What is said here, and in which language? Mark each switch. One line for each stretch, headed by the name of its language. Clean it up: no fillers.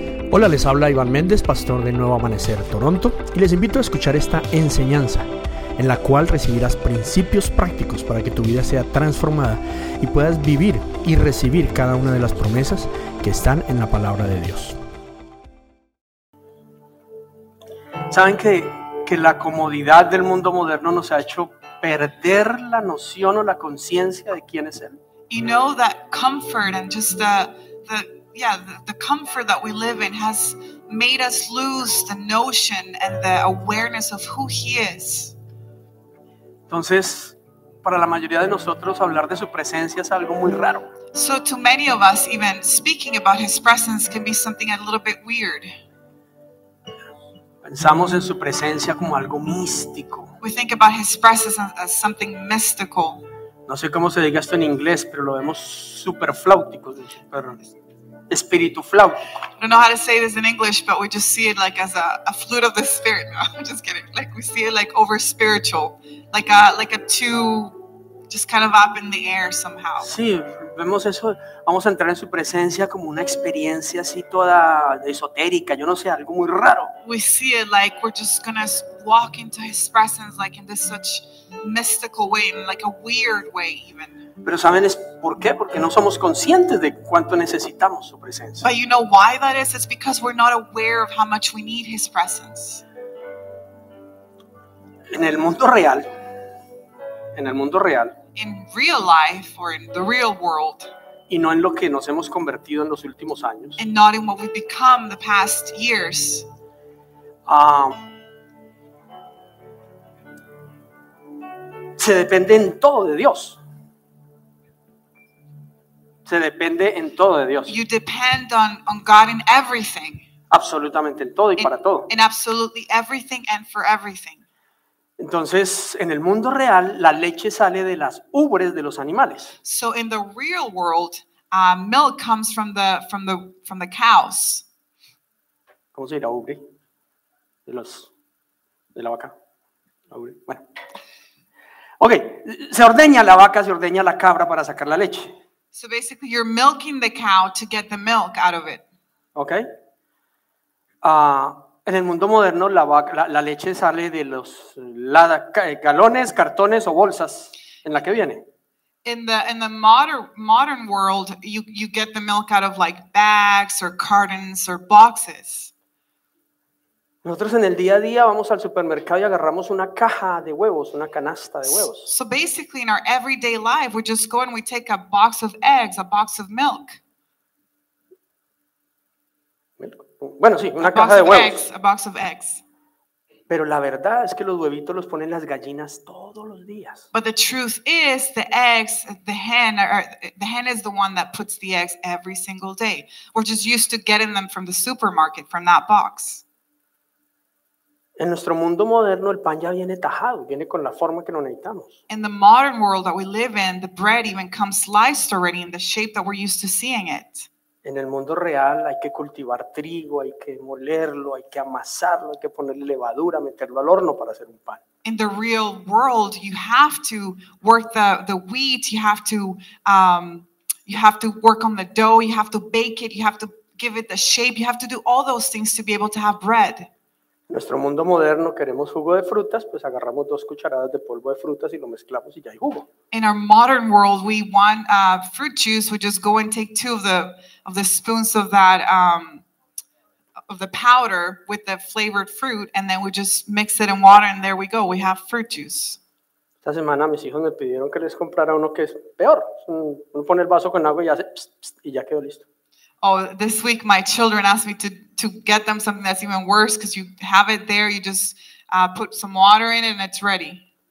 Spanish: Hola, les habla Iván Méndez, pastor de Nuevo Amanecer, Toronto, y les invito a escuchar esta enseñanza, en la cual recibirás principios prácticos para que tu vida sea transformada y puedas vivir y recibir cada una de las promesas que están en la palabra de Dios. ¿Saben que la comodidad del mundo moderno nos ha hecho perder la noción o la conciencia de quién es Él?
English: You know that comfort and just the comfort that we live in has made us lose the notion and the awareness of who He is.
Spanish: Entonces, para la mayoría de nosotros, hablar de su presencia es algo muy raro.
English: So to many of us, even speaking about His presence can be something a little bit weird.
Spanish: Pensamos en su presencia como algo místico.
English: We think about His presence as something mystical.
Spanish: No sé cómo se diga esto en inglés, pero lo vemos súper flautico, súper espíritu flautico.
English: I don't know how to say this in English, but we just see it like as a flute of the spirit. No, I'm just kidding. Like we see it like over spiritual, like a two, just kind of up in the air somehow.
Spanish: Sí, vemos eso. Vamos a entrar en su presencia como una experiencia así toda esotérica. Yo no sé, algo muy raro.
English: We see it like we're just gonna walk into His presence like in this such mystical way, in like a weird way even.
Spanish: Pero saben es por qué, porque no somos conscientes de cuánto necesitamos su presencia.
English: But you know why that is? It's because we're not aware of how much we need His presence.
Spanish: En el mundo real.
English: In real life or in the real world.
Spanish: Y no en lo que nos hemos convertido en los últimos años.
English: And not in what we've become the past years.
Spanish: Se depende en todo de Dios. Se depende en todo de Dios.
English: You depend on God in everything.
Spanish: Absolutamente en todo y para todo.
English: In absolutely everything and for everything.
Spanish: Entonces, en el mundo real, la leche sale de las ubres de los animales.
English: So in the real world, milk comes from the cows.
Spanish: ¿Cómo se dirá ubre? De la vaca. Ubre. Bueno. Okay, se ordeña la vaca, se ordeña la cabra para sacar la leche.
English: So basically, you're milking the cow to get the milk out of it. Okay.
Spanish: En el mundo moderno, la leche sale de los galones, cartones o bolsas en la que viene.
English: In the modern world, you get the milk out of like bags or cartons or boxes.
Spanish: Nosotros en el día a día vamos al supermercado y agarramos una caja de huevos, una canasta de huevos.
English: So basically in our everyday life, we just go and we take a box of eggs, a box of milk.
Spanish: Bueno, sí, una caja de huevos.
English: Eggs, a box of eggs.
Spanish: Pero la verdad es que los huevitos los ponen las gallinas todos los días.
English: But the truth is, the hen is the one that puts the eggs every single day. We're just used to getting them from the supermarket, from that box.
Spanish: En nuestro mundo moderno, el pan ya viene tajado, viene con la forma que lo necesitamos.
English: In the modern world that we live in, the bread even comes sliced already in the shape that we're used to seeing it.
Spanish: En el mundo real hay que cultivar trigo, hay que molerlo, hay que amasarlo, hay que ponerle levadura, meterlo al horno para hacer un pan.
English: In the real world, you have to work the wheat, you have to work on the dough, you have to bake it, you have to give it the shape, you have to do all those things to be able to have bread.
Spanish: Nuestro mundo moderno queremos jugo de frutas, pues agarramos dos cucharadas de polvo de frutas y lo mezclamos y ya hay jugo.
English: In our modern world, we want fruit juice. We just go and take two of the spoons of that of the powder with the flavored fruit, and then we just mix it in water, and there we go. We have fruit juice.
Spanish: Esta semana mis hijos me pidieron que les comprara uno que es peor. Uno pone el vaso con agua y hace pss, pss, y ya quedó listo.
English: Oh, this week my children asked me to get them something that's even worse because you have it there, you just put some water in it and it's ready.